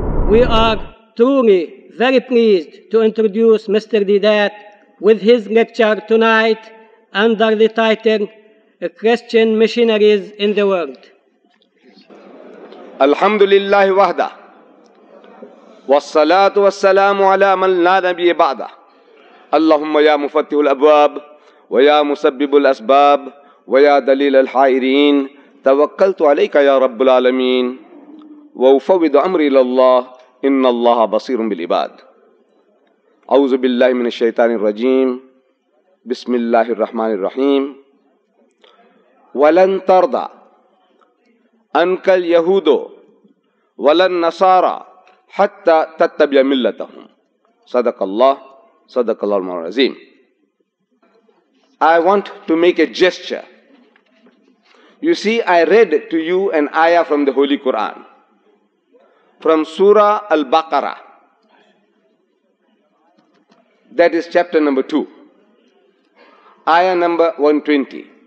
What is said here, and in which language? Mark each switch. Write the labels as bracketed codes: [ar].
[en] We are truly very pleased to introduce Mr. Deedat with his lecture tonight under the title Christian Missionaries in the World. [ar] الحمد لله وحده والصلاة والسلام على من لا نبي بعده اللهم يا مفتح الأبواب ويا مسبب الأسباب ويا دليل الحائرين توكلت عليك يا رب العالمين وأفوض أمري إلى الله إن الله بصير بالعباد أعوذ بالله من الشيطان الرجيم بسم الله الرحمن الرحيم ولن ترضى عنك اليهود ولن نصارى حتى تتبع ملتهم صدق الله صدق الله العظيم. [en] I want to make a gesture. You see, I read to you an ayah from the Holy Quran, from Surah Al-Baqarah. That is chapter number 2, ayah number 120.